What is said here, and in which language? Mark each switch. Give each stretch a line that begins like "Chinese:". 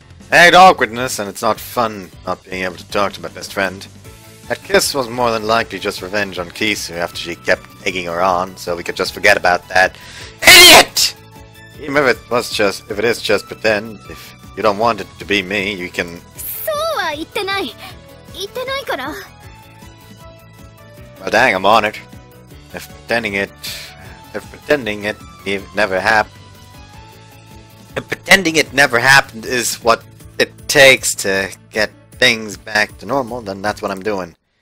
English: I hate awkwardness, and it's not fun not being able to talk to my best friend. That kiss was more than likely just revenge on Kisu after she kept egging her on, so we could just forget about that. IDIOT! Even if it was just, if it is just pretend, if you don't want it to be me, you can...
Japanese: そうは言ってない。言ってないから。
English: Well, dang, I'm on it. If pretending it never happened is what it takes to get things back to normal, then that's what I'm doing.